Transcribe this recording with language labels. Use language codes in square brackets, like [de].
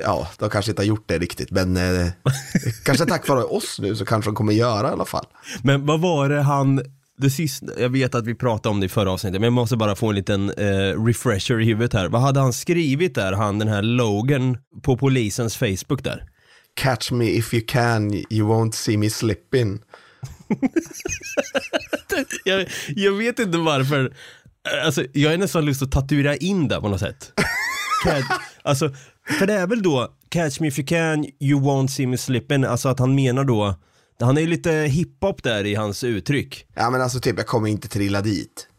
[sv] Ja, de kanske inte har gjort det riktigt. Men kanske tack vare oss nu så kanske de kommer göra i alla fall. Men vad var det han... Det sista, jag vet att vi pratade om det i förra avsnittet, men jag måste bara få en liten refresher i huvudet här. Vad hade han skrivit där, han, den här Logan, på polisens Facebook där? [en] Catch me if you can, you won't see me slipping. [sv] Jag vet inte varför. Alltså, jag har nästan lust att tatuera in det på något sätt. Alltså, för det är väl då, [en] catch me if you can, you won't see me slipping. [sv] Alltså att han menar då... Han är ju lite hiphop där i hans uttryck. Ja, men alltså typ, jag kommer inte trilla dit.